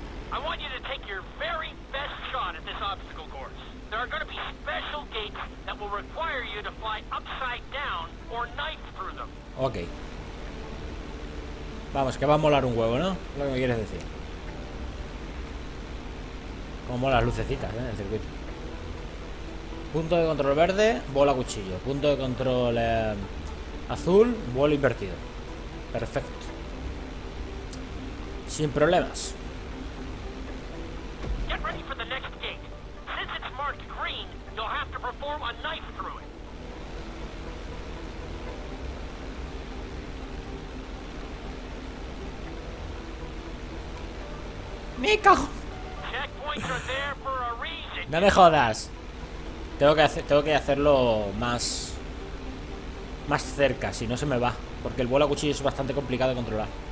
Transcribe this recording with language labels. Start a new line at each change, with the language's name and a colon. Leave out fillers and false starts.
English: I want you to take your very best shot at this obstacle course. There are going to be special gates that will require you to fly upside down or knife through them. Ok.
Spanish: Vamos, que va a molar un huevo, ¿no? Lo que me quieres decir. Como las lucecitas, ¿eh? En el circuito. Punto de control verde, vuelo a cuchillo. Punto de control azul, vuelo invertido. Perfecto. Sin problemas.
English: Get ready for the next gate. Since it's marked green, you'll have to perform a knife through it. Mico. Checkpoints are there for a reason.
Spanish: No me jodas. Tengo que hacerlo más cerca, si no se me va. Porque el vuelo a cuchillo es bastante complicado de controlar.